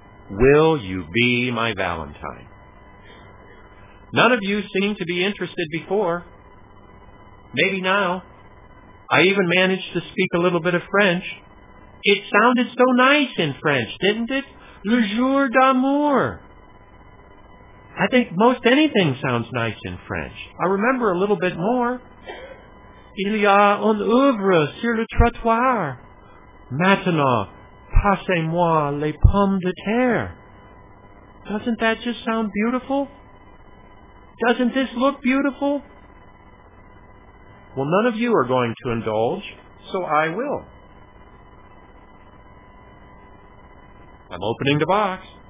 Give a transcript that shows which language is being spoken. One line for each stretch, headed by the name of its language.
English: Will you be my Valentine? None of you seem to be interested before. Maybe now. I even managed to speak a little bit of French. It sounded so nice in French, didn't it?
French: Le jour d'amour.
English: I think most anything sounds nice in French. I remember a little bit more.
French: Il y a un œuvre sur le trottoir. Maintenant, passez-moi les pommes de terre.
English: Doesn't that just sound beautiful? Doesn't this look beautiful? Well, none of you are going to indulge, so I will. I'm opening the box.